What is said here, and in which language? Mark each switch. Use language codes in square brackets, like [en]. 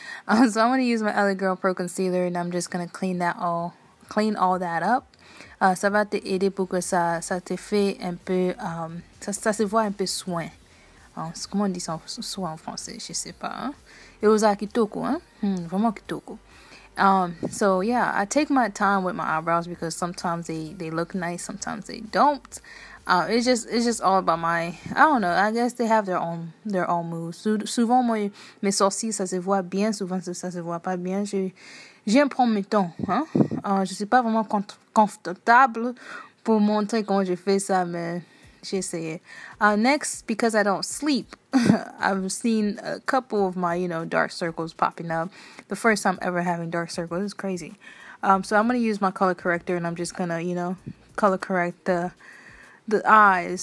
[en] So I'm going to use my LA Girl Pro Concealer and I'm just going to clean all that up. [fr] Ça va te aider pour que ça te fait un peu, ça se voit un peu soin. Comment on dit ça soin en français, je sais pas, hein? [en] It was like kitoko, [fr] vraiment [en] kitoko. So yeah, I take my time with my eyebrows because sometimes they look nice, sometimes they don't. It's just all about my, I don't know. I guess they have their own moves. [fr] Souvent mes sourcils ça se voit bien, souvent ça se voit pas bien. J'ai un problème de temps, hein. Je suis pas vraiment confortable pour montrer comment je fais ça, mais j'essaie. [en] Next, because I don't sleep, I've seen a couple of my, you know, dark circles popping up. The first time ever having dark circles, it's crazy. So I'm gonna use my color corrector and I'm just gonna, you know, color correct the eyes.